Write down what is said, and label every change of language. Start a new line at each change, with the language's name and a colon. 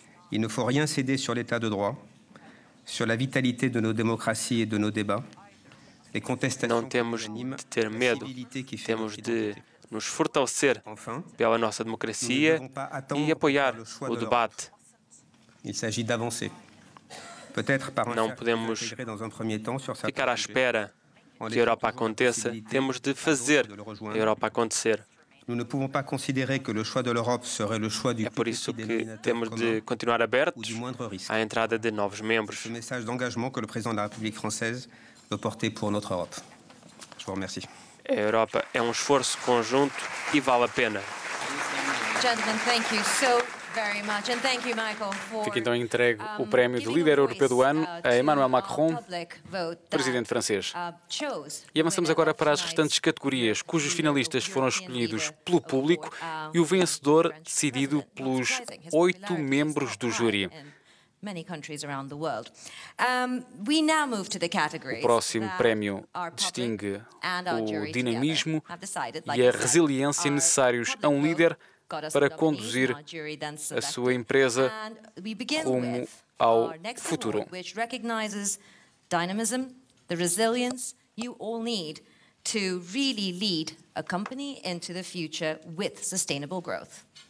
French: Não faut rien céder sur l'état de droit, sur la vitalité de nos démocraties et de nos débats. Les contestations.
Portuguese: Não temos de ter medo. Temos de nos fortalecer pela nossa democracia e apoiar o debate.
French: Il s'agit d'avancer. Peut-être par
Portuguese: não podemos ficar à espera que a Europa aconteça. Temos de fazer a Europa acontecer.
French: Nous ne pouvons pas considérer que le choix de l'Europe serait le choix du plus petit dénominateur commun.
Portuguese: É por isso que temos de continuar abertos à entrada de novos membros.
French: Le message d'engagement que le président de la République française veut porter pour notre Europe. Je vous remercie.
Portuguese: A Europa é um esforço conjunto e vale a pena.
English: Gentlemen, thank you so very much. And thank you, Michael, for...
Portuguese: Fica então entregue o prémio de líder europeu do ano a Emmanuel Macron, presidente francês. E avançamos agora para as restantes categorias, cujos finalistas foram escolhidos pelo público e o vencedor decidido pelos 8 membros do júri.
English: many countries around the world. We now move to the category.
Portuguese: O próximo prémio distingue o dinamismo e a resiliência necessários a um líder para conduzir a sua empresa rumo ao futuro.
English: Which recognizes dynamism, the resilience you all need to really lead a company into the future with sustainable growth.